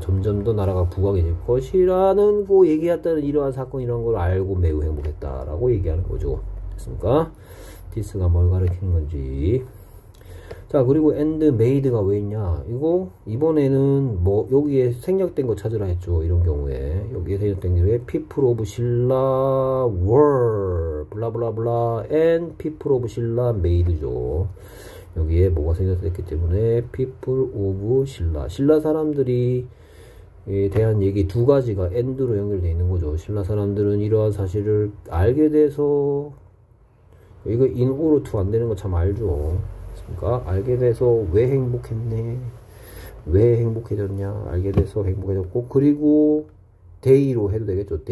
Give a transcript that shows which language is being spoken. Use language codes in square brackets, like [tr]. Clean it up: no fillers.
[ko] 점점 더 나라가 부강해질 것이라는 고 얘기했다는 이러한 사건, 이런 걸 알고 매우 행복했다라고 얘기하는 거죠. 됐습니까? 디스가 뭘 가르치는 건지. 자, 그리고 앤드 메이드가 왜 있냐? 이거, 이번에는 뭐, 여기에 생략된 거 찾으라 했죠. 이런 경우에. 여기에 생략된 게 왜? [en] People of Silla were, blah blah blah, and People of Silla made죠. [ko] 여기에 뭐가 생략됐기 때문에, People of Silla. 신라 사람들이, 에 대한 얘기 두 가지가 앤드로 연결되어 있는 거죠. 신라 사람들은 이러한 사실을 알게 돼서, 이거 in order to 안 되는 거참 알죠. 그러니까 알게 돼서 왜 행복했네, 왜 행복해졌냐, 알게 돼서 행복해졌고, 그리고 데이로 해도 되겠죠.